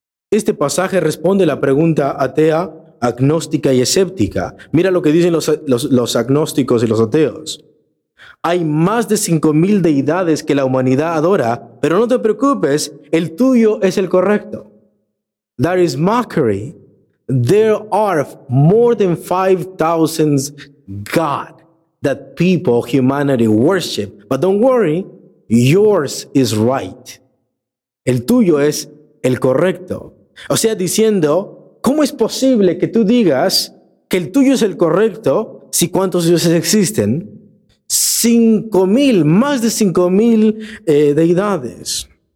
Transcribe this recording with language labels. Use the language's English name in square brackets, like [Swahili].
[Spanish] Este pasaje responde la pregunta atea, agnóstica y escéptica. Mira lo que dicen los agnósticos y los ateos. Hay más de 5,000 deidades que la humanidad adora, pero no te preocupes, el tuyo es el correcto. [English] There is mockery. There are more than 5,000 gods that people, humanity worship. But don't worry, yours is right. [Spanish] El tuyo es el correcto. O sea, diciendo, ¿cómo es posible que tú digas que el tuyo es el correcto si cuántos dioses existen? 5,000, más de 5,000 deidades.